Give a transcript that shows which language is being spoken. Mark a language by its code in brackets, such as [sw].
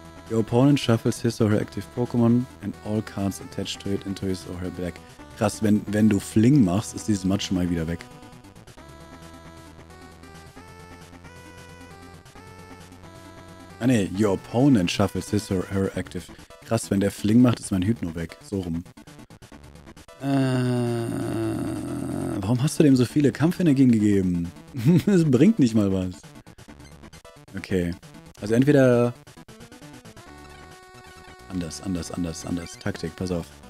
[en] Your opponent shuffles his or her active Pokémon and all cards attached to it into his or her deck. [de] Krass, wenn du Fling machst, ist dieses Match schon mal wieder weg. [en] Ah ne, your opponent shuffles his or her active. [de] Krass, wenn der Fling macht, ist mein Hypno weg. So rum. Warum hast du dem so viele Kampfenergien gegeben? Das bringt nicht mal was. Okay. Also entweder... Anders. Taktik, pass auf.